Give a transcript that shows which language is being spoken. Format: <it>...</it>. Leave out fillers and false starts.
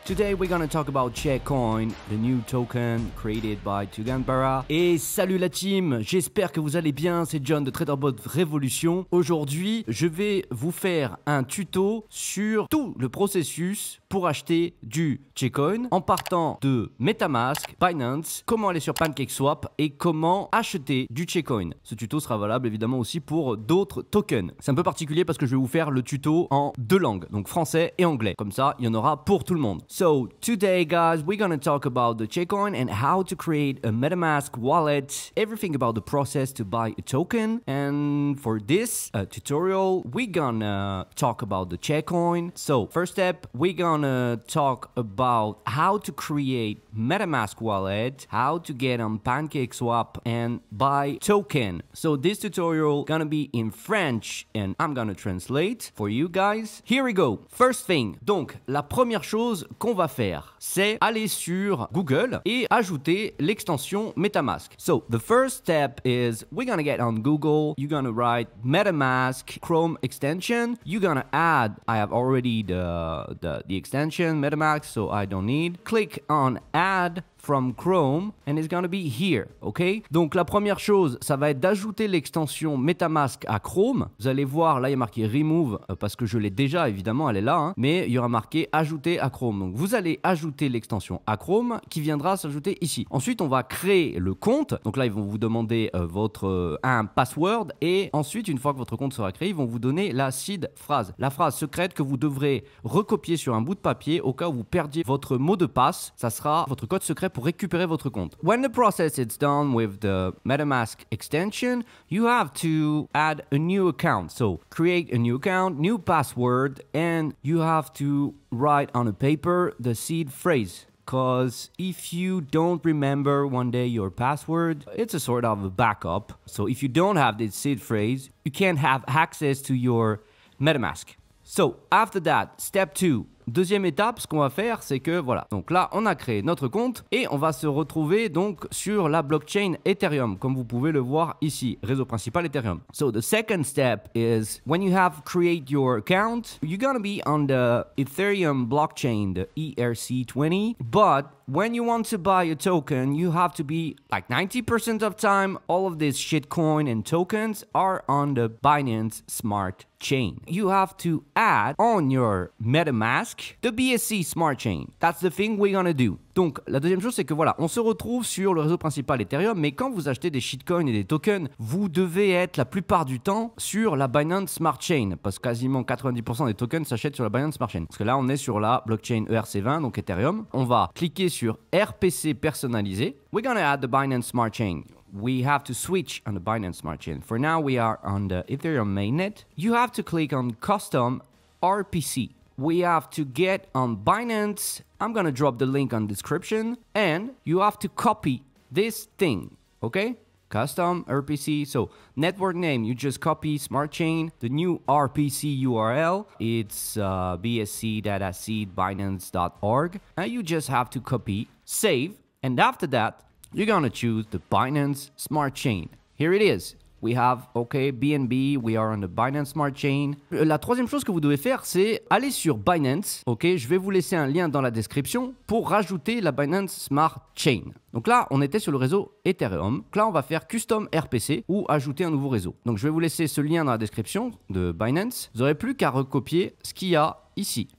<en>Today we're gonna talk about Checoin, the new token created by Tuganbara.</en> <fr>Et salut la team, j'espère que vous allez bien, c'est John de TraderBot Revolution. Aujourd'hui, je vais vous faire un tuto sur tout le processus pour acheter du Checoin en partant de Metamask, Binance, comment aller sur Pancakeswap et comment acheter du Checoin. Ce tuto sera valable évidemment aussi pour d'autres tokens. C'est un peu particulier parce que je vais vous faire le tuto en deux langues, donc français et anglais. Comme ça, il y en aura pour tout le monde.</fr> <en>So, today guys, we're gonna talk about the Checoin and how to create a Metamask wallet, everything about the process to buy a token. And for this tutorial, we're gonna talk about the Checoin. So, first step, we're gonna talk about how to create Metamask wallet, how to get on PancakeSwap and buy token. So, this tutorial gonna be in French and I'm gonna translate for you guys. Here we go. First thing,</en> <fr>donc la première chose qu'on va faire, c'est aller sur Google et ajouter l'extension MetaMask.</fr> <en>So, the first step is we're gonna get on Google, you're gonna write MetaMask Chrome extension, you're gonna add, I have already the extension MetaMask, so I don't need. Click on add from Chrome and it's gonna be here, okay?</en> <fr>Donc la première chose, ça va être d'ajouter l'extension MetaMask à Chrome. Vous allez voir, là il y a marqué remove parce que je l'ai déjà, évidemment elle est là, hein, mais il y aura marqué ajouter à Chrome. Donc vous allez ajouter l'extension à Chrome qui viendra s'ajouter ici. Ensuite on va créer le compte. Donc là ils vont vous demander un password et ensuite une fois que votre compte sera créé, ils vont vous donner la seed phrase, la phrase secrète que vous devrez recopier sur un bout de papier au cas où vous perdiez votre mot de passe. Ça sera votre code secret pour récupérer votre compte.</fr> <en>When the process is done with the MetaMask extension, you have to add a new account. So, create a new account, new password, and you have to write on a paper the seed phrase. Because if you don't remember one day your password, it's a sort of a backup. So, if you don't have this seed phrase, you can't have access to your MetaMask. So, after that, step two.</en> <fr>Deuxième étape, ce qu'on va faire, c'est que voilà. Donc là, on a créé notre compte et on va se retrouver donc sur la blockchain Ethereum, comme vous pouvez le voir ici, réseau principal Ethereum.</fr> <en>So the second step is when you have create your account, you're gonna be on the Ethereum blockchain, the ERC20. But when you want to buy a token, you have to be like 90% of time, all of this shitcoin and tokens are on the Binance smart chain. You have to add on your MetaMask the BSC smart chain. That's the thing we're gonna do.</en> <fr>Donc, la deuxième chose, c'est que voilà, on se retrouve sur le réseau principal Ethereum, mais quand vous achetez des shitcoins et des tokens, vous devez être la plupart du temps sur la Binance Smart Chain, parce que quasiment 90% des tokens s'achètent sur la Binance Smart Chain. Parce que là, on est sur la blockchain ERC20, donc Ethereum. On va cliquer sur RPC personnalisé.</fr> <en>We're gonna add the Binance Smart Chain. We have to switch on the Binance Smart Chain. For now, we are on the Ethereum mainnet. You have to click on custom RPC. We have to get on Binance. I'm gonna drop the link on description. And you have to copy this thing, okay? Custom RPC. So network name, you just copy smart chain. The new RPC URL, it's BSC data seed binance.org. And you just have to copy, save. And after that, you're gonna choose the Binance smart chain. Here it is. We have, okay, BNB, we are on the Binance Smart Chain.</en> <fr>La troisième chose que vous devez faire, c'est aller sur Binance, okay? Je vais vous laisser un lien dans la description pour rajouter la Binance Smart Chain. Donc là, on était sur le réseau Ethereum. Donc là, on va faire Custom RPC ou ajouter un nouveau réseau. Donc je vais vous laisser ce lien dans la description de Binance. Vous n'aurez plus qu'à recopier ce qu'il y a ici.</fr>